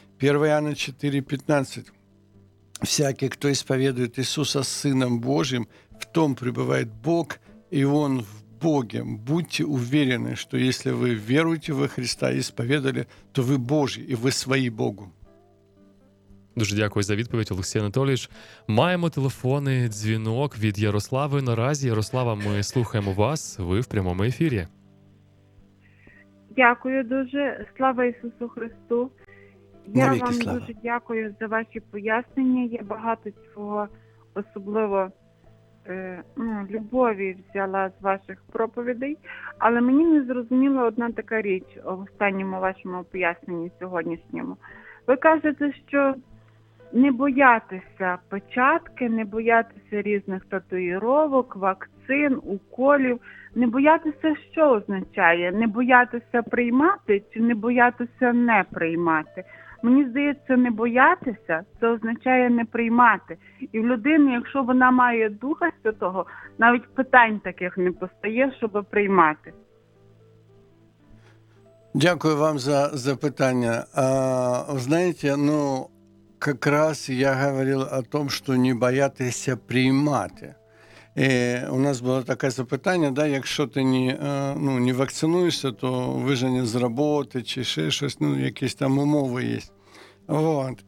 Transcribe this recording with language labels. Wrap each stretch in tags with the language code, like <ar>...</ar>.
<ru>1 Иоанна 4:15. «Всякий, кто исповедует Иисуса Сыном Божьим, в том пребывает Бог, и Он в Боге». Будьте уверены, что если вы веруете во Христа и исповедали, то вы Божьи, и вы свои Богу.</ru> <uk>Дуже дякую за відповідь, Олексій Анатолійович. Маємо телефонний дзвінок від Ярослави. Наразі, Ярослава, ми слухаємо вас. Ви в прямому ефірі. Дякую дуже. Слава Ісусу Христу. Я вам дуже дякую за ваші пояснення. Я багато цього особливо любові взяла з ваших проповідей. Але мені не зрозуміла одна така річ в останньому вашому поясненні сьогоднішньому. Ви кажете, що не боятися печатки, не боятися різних татуїровок, вакцин, уколів. Не боятися що означає? Не боятися приймати чи не боятися не приймати? Мені здається, не боятися – це означає не приймати. І в людини, якщо вона має Духа Святого, навіть питань таких не постає, щоб приймати. Дякую вам за запитання.</uk> <ru>Знаете, как раз я говорил о том, что не бояться приймати. И у нас было такое</ru> <uk>запитання, да, якщо ти не вакцинуєшся, то виження з роботи чи ще щось, якісь там умови є. Вот.</uk>